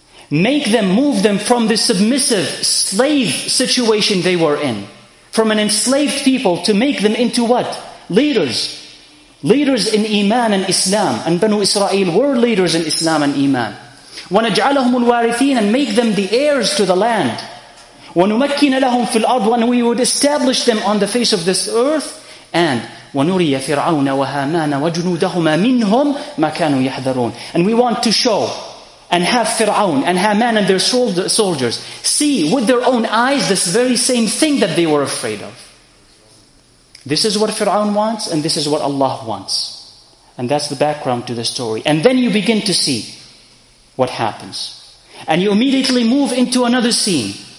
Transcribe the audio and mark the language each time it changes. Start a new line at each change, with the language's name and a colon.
English: make them, move them from the submissive slave situation they were in, from an enslaved people, to make them into what? Leaders. Leaders in Iman and Islam. And Banu Israel were leaders in Islam and Iman.
Arabic: ونجعلهم الوارثين,
English: and make them the heirs to the land.
Arabic: ونمكن لهم في الأرض,
English: and we would establish them on the face of this earth.
Arabic: And ونري فرعون وهامان وجنودهما منهم ما كانوا يحذرون.
English: And we want to show and have Fir'aun and Haman and their soldiers see with their own eyes this very same thing that they were afraid of. This is what Fir'aun wants, and this is what Allah wants. And that's the background to the story. And then you begin to see what happens. And you immediately move into another scene.